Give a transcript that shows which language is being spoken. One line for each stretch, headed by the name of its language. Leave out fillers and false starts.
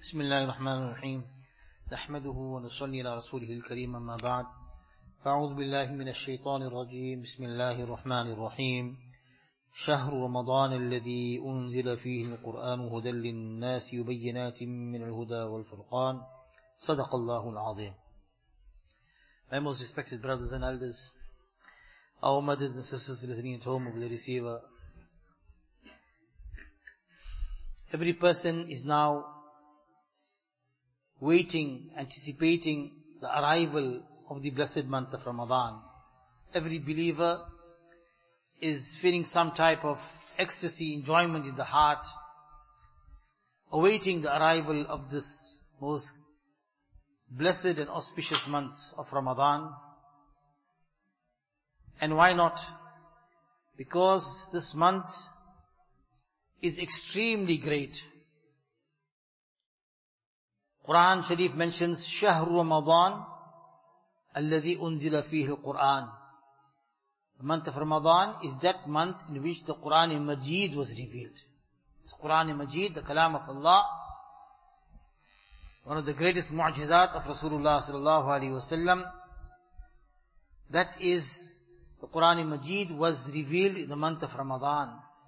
Arabic: بسم الله الرحمن الرحيم، نحمده ونصلي على رسوله الكريم، أما بعد، فأعوذ بالله من الشيطان الرجيم. بسم الله الرحمن الرحيم. شهر رمضان الذي أنزل فيه القرآن هدى للناس وبينات من الهدى والفرقان، صدق الله العظيم.
English: My most respected brothers and elders, our mothers and sisters listening at home over the receiver, every person is now waiting, anticipating the arrival of the blessed month of Ramadan. Every believer is feeling some type of ecstasy, enjoyment in the heart, awaiting the arrival of this most blessed and auspicious month of Ramadan. And why not? Because this month is extremely great. Quran Sharif mentions
Arabic: شهر رمضان الذي أنزل فيه القرآن.
English: The month of Ramadan is that month in which the Quran Majid was revealed. It's Quran Majid, the Kalam of Allah. One of the greatest mu'jizat of Rasulullah sallallahu alayhi wa sallam. That is, the Quran Majid was revealed in the month of Ramadan.